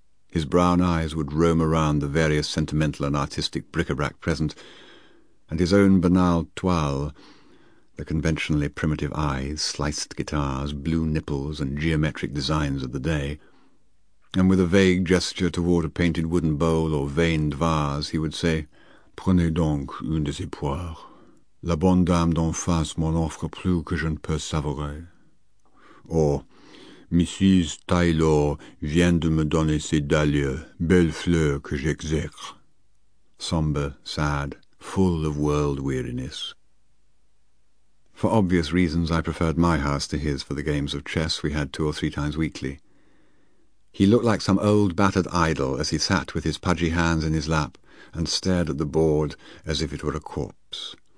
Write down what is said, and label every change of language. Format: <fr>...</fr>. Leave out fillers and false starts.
<en>His brown eyes would roam around the various sentimental and artistic bric-a-brac present, and his own banal toile, the conventionally primitive eyes, sliced guitars, blue nipples, and geometric designs of the day, and with a vague gesture toward a painted wooden bowl or veined vase, he would say,</en> <fr>"Prenez donc une de ces poires. La bonne dame d'en face m'en offre plus que je ne peux savourer." Or, "Mrs. Taylor vient de me donner ses dahlias, belles fleurs que j'exècre."</fr> <en>Sombre, sad, full of world weariness. For obvious reasons, I preferred my house to his for the games of chess we had two or three times weekly. He looked like some old battered idol as he sat with his pudgy hands in his lap and stared at the board as if it were a corpse.</en>